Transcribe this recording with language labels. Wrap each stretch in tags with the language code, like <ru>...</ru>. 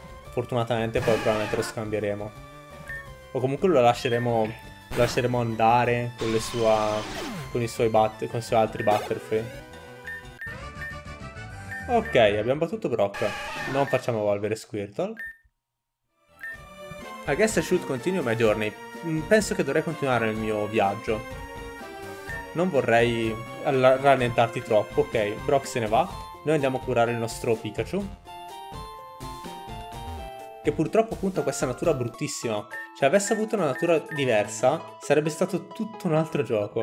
<it>Fortunatamente poi probabilmente lo scambieremo. O comunque lo lasceremo andare con le sua con i suoi bat con i suoi altri Butterfree. Ok, abbiamo battuto Brock. Non facciamo evolvere Squirtle.</it> <en>I guess I should continue my journey.</en> <it>Penso che dovrei continuare il mio viaggio. Non vorrei rallentarti troppo. Ok, Brock se ne va. Noi andiamo a curare il nostro Pikachu, che purtroppo appunto ha questa natura bruttissima. Cioè, avesse avuto una natura diversa, sarebbe stato tutto un altro gioco.</it>